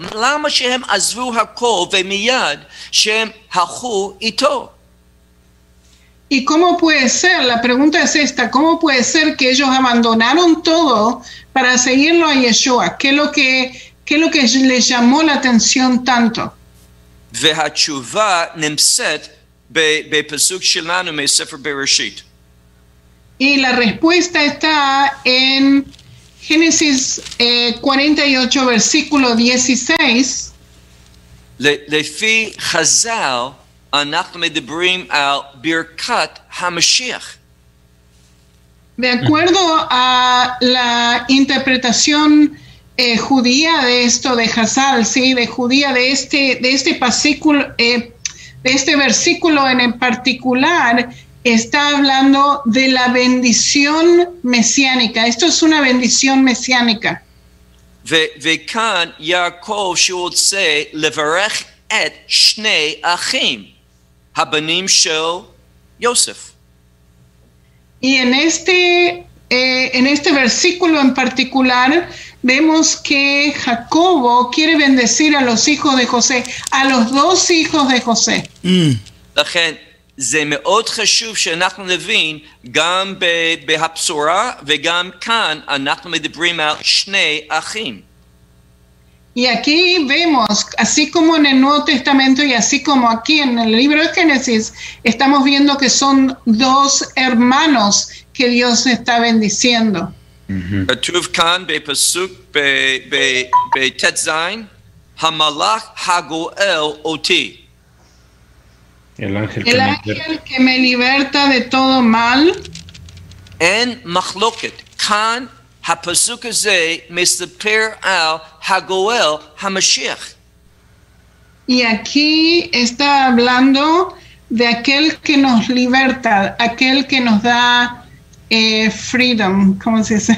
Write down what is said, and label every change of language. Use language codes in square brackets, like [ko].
[he] למה שהם עזבו הכל ומיד שהם הלכו איתו? [es] ¿Y cómo puede ser? La pregunta es esta, ¿cómo puede ser que ellos abandonaron todo para seguirlo a Yeshua? ¿Qué es lo que les llamó la atención tanto? [he] והתשובה נמצאת בפסוק שלנו מספר בראשית. [es] Y la respuesta está en Génesis 48, versículo 16. [he] לפי חז"ל, אנחנו מדברים על ברכת המשיח. [es] De acuerdo a la interpretación judía de esto, de Hazal, sí, de judía, de este pasículo, de este versículo en particular, está hablando de la bendición mesiánica. Esto es una bendición mesiánica. [he] וכאן יעקב שרוצה לברך את שני אחים. הבנים של יוסף. [es] Y en este versículo en particular vemos que Jacobo quiere bendecir a los hijos de José, a los dos hijos de José. [he] לכן, זה מאוד חשוב שאנחנו נבין גם בהבשורה וגם כאן אנחנו מדברים על שני אחים. [es] Y aquí vemos, así como en el Nuevo Testamento y así como aquí en el libro de Génesis, estamos viendo que son dos hermanos que Dios está bendiciendo. [he] Ketuv kan bepasuk betetzain hamalach hagoel oti. [es] El ángel que me liberta de todo mal. [he] En machloket kan. הפסוק הזה מספר על הגואל המשיח. [es] Y aquí está hablando de aquel que nos liberta, aquel que nos da [en] freedom, [es] ¿cómo se dice?